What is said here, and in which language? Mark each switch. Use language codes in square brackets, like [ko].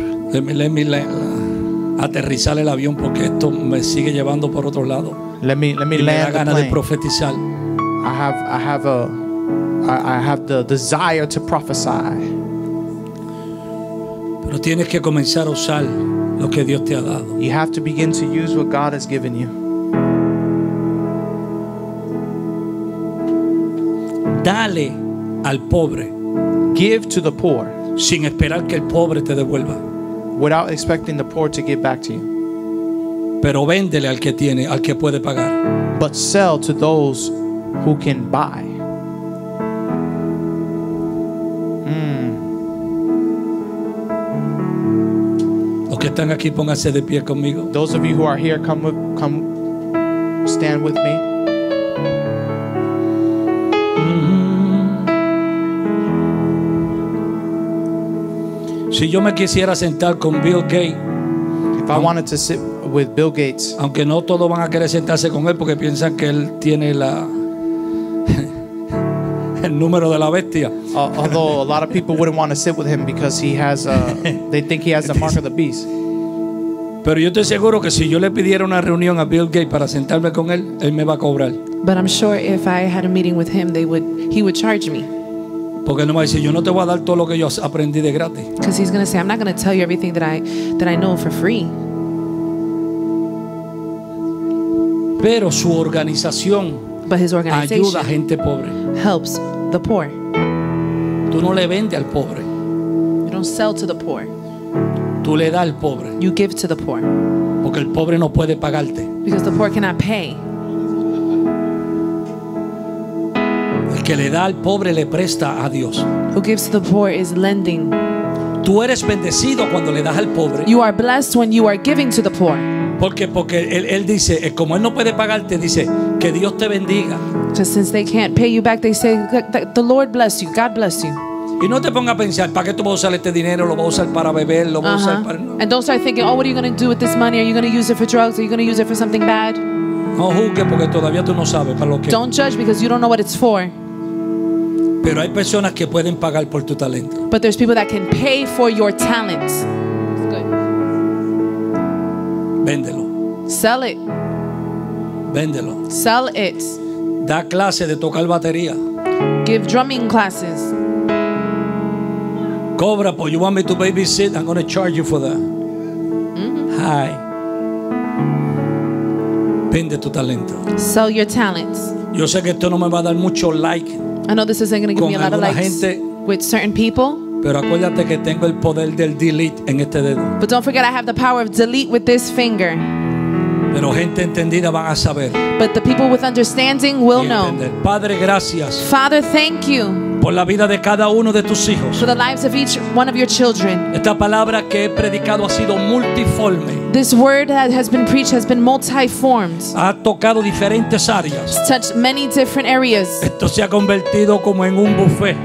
[en] Let me [es] aterrizar el avión porque esto me sigue llevando por otro lado. [en] Let me [es] y [en] land [es] me da ganas de profetizar. [en] I have the desire to prophesy. [es] Pero tienes que comenzar a usar lo que Dios te ha dado. [en] You have to begin to use what God has given you. [es] Dale al pobre. [en] Give to the poor. [es] Sin esperar que el pobre te devuelva. [en] Without expecting the poor to give back to you. [es] Pero véndele al que tiene, al que puede pagar. [en] But sell to those who can buy. [es] Los que están aquí, pónganse de pie conmigo. [en] Those of you who are here, come stand with me. [es] Si yo me quisiera sentar con Bill Gates, [en] if I wanted to sit with Bill Gates, [es] aunque no todos van a querer sentarse con él porque piensan que él tiene la el número de la bestia. [en] Although a lot of people wouldn't want to sit with him because he has they think he has the mark of the beast. [es] Pero yo estoy seguro que si yo le pidiera una reunión a Bill Gates para sentarme con él, él me va a cobrar. [en] But I'm sure if I had a meeting with him, he would charge me. [es] Porque no me dice, yo no te voy a dar todo lo que yo aprendí de gratis. [en] Because he's going to say, I'm not going to tell you everything that I know for free. [es] Pero su organización ayuda a gente pobre. [en] Helps the poor. [es] Tú no le vendes al pobre. [en] You don't sell to the poor. [es] Tú le das al pobre. [en] You give to the poor. [es] Porque el pobre no puede pagarte. [en] Because the poor cannot pay. [es] Que le da al pobre le presta a Dios. [en] Who gives to the poor is lending. [es] Tú eres bendecido cuando le das al pobre. [en] You are blessed when you are giving to the poor. [es] Porque él dice, como él no puede pagarte, dice que Dios te bendiga. [en] Just since they can't pay you back, they say the Lord bless you, God bless you. [es] Y no te pongas a pensar, ¿para qué tú vas a usar este dinero? ¿Lo vas a usar para beber? ¿Lo vas a usar para? [en] And don't start thinking, oh, what are you going to do with this money? Are you going to use it for drugs? Are you going to use it for something bad? [es] No juzgues porque todavía tú no sabes para lo que. [en] Don't judge because you don't know what it's for. [es] Pero hay personas que pueden pagar por tu talento. [en] But there's people that can pay for your talents. [es] Véndelo. [en] Sell it. [es] Véndelo. [en] Sell it. [es] Da clase de tocar batería. [en] Give drumming classes. [es] Cobra, pues. [en] You want me to babysit? I'm going to charge you for that. Hi. [es] Vende tu talento. [en] Sell your talents. [es] Yo sé que esto no me va a dar mucho like. [en] I know this isn't going to give me a lot of likes with certain people. [es] Pero acuérdate que tengo el poder del delete en este dedo. [en] But don't forget I have the power of delete with this finger. [es] Pero gente entendida van a saber. [en] But the people with understanding will know. [es] Padre, gracias. [en] Father, thank you. [es] Por la vida de cada uno de tus hijos. [en] For the lives of each one of your children. [es] Esta palabra que he predicado ha sido multiforme. [en] This word that has been preached has been multiformed. [es] Ha tocado diferentes áreas. [en] It's touched many different areas. [es] Esto se ha convertido como en un buffet.